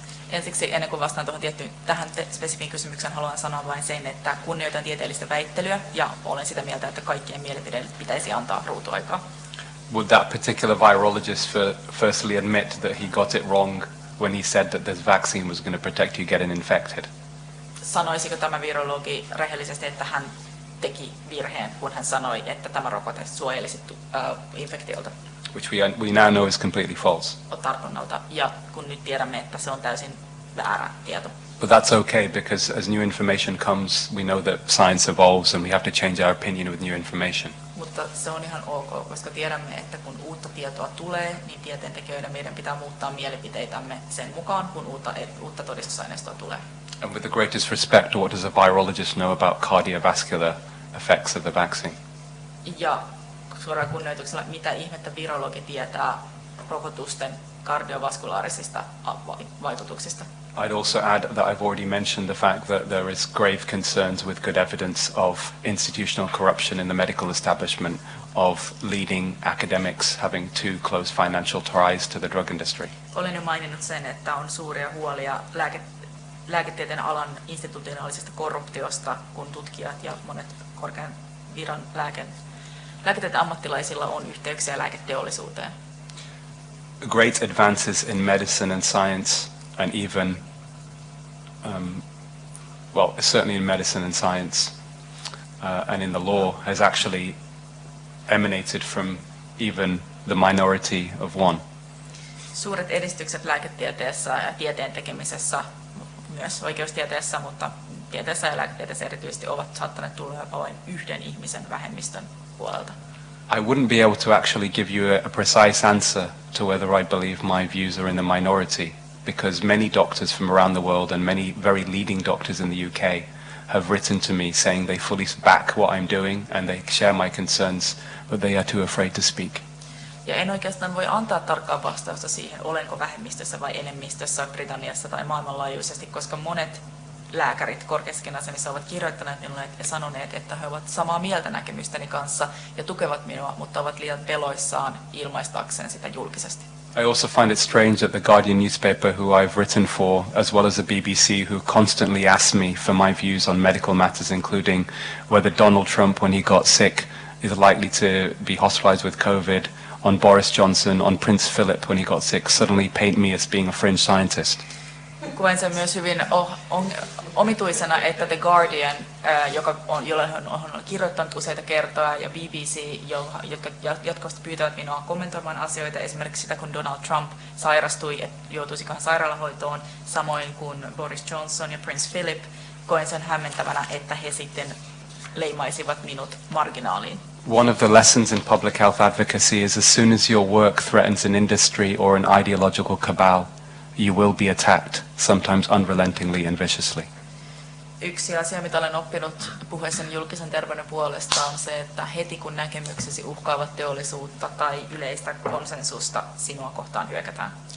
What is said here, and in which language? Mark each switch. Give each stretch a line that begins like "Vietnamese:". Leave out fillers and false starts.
Finnish: Ensiksi ennen kuin vastaan tuohon tiettyyn tähän spesifiin kysymykseen, haluan sanoa vain sen, että kunnioitan tieteellistä väittelyä ja olen sitä mieltä, että kaikkien mielipiteille pitäisi antaa ruutuaikaa.
English: Would that particular virologist firstly admit that he got it wrong when he said that this vaccine was going to protect you getting infected?
Finnish: Sanoisiko tämä virologi rehellisesti, että hän teki virheen, kun hän sanoi, että tämä rokote suojelisi infektiolta?
English: Which we now know is completely false.
Finnish: Tartunnalta, ja kun nyt tiedämme, että se on täysin väärä tieto.
English: But that's okay, because as new information comes, we know that science evolves and we have to change our opinion with new information.
Finnish: Mutta se on ihan ok, koska tiedämme, että kun uutta tietoa tulee, niin tieteentekijöiden meidän pitää muuttaa mielipiteitämme sen mukaan, kun uutta todistusaineistoa tulee.
English: And with the greatest respect, what does a virologist know about cardiovascular effects of the vaccine?
Finnish: Ja suoraan kunnioituksella, mitä ihmettä virologi tietää rokotusten kardiovaskulaarisista vaikutuksista?
English: I'd also add that I've already mentioned the fact that there is grave concerns with good evidence of institutional corruption in the medical establishment of leading academics having too close financial ties to the drug industry.
Finnish: Olen jo maininnut sen, että on suuria huolia lääketieteen alan institutionaalisesta korruptiosta, kun tutkijat ja monet korkean viran lääketieteen ammattilaisilla on yhteyksiä lääketeollisuuteen.
English: Great advances in medicine and science, and even, well, certainly in medicine and science, and in the law, has actually emanated from even the minority of one.
Finnish: Suuret edistykset lääketieteessä ja tieteen tekemisessä, myös oikeustieteessä, mutta tieteessä ja lääketieteessä erityisesti, ovat saattaneet tulla jopa vain yhden ihmisen vähemmistön puolelta.
English: I wouldn't be able to actually give you a precise answer to whether I believe my views are in the minority, because many doctors from around the world and many very leading doctors in the UK have written to me saying they fully back what I'm doing and they share my concerns, but they are too afraid to speak.
Finnish: Ja en oikeastaan voi antaa tarkkaa vastausta siihen, olenko vähemmistössä vai enemmistössä Britanniassa tai maailmanlaajuisesti, koska monet lääkärit korkeissakin asemissa ovat kirjoittaneet minulle ja sanoneet, että he ovat samaa mieltä näkemystäni kanssa ja tukevat minua, mutta ovat liian peloissaan ilmaistakseen sitä julkisesti.
English: I also find it strange that the Guardian newspaper, who I've written for, as well as the BBC, who constantly asked me for my views on medical matters, including whether Donald Trump, when he got sick, is likely to be hospitalized with COVID, on Boris Johnson, on Prince Philip, when he got sick, suddenly paint me as being a fringe scientist.
Finnish: Koen sen myös hyvin omituisena, että The Guardian, jolle on kirjoittanut useita kertoja, ja BBC, jotka jatkuvasti pyytävät minua kommentoimaan asioita, esimerkiksi sitä, kun Donald Trump sairastui, että joutuisikohan sairaalahoitoon, samoin kuin Boris Johnson ja Prince Philip, koen sen hämmentävänä, että he sitten leimaisivat minut marginaaliin.
English: One of the lessons in public health advocacy is as soon as your work threatens an industry or an ideological cabal, you will be attacked, sometimes unrelentingly and viciously.
Finnish: Yksi asia, mitä olen oppinut puheessani julkisen terveyden puolesta, on se, että heti kun näkemyksesi uhkaavat teollisuutta tai yleistä konsensusta, sinua kohtaan hyökätään.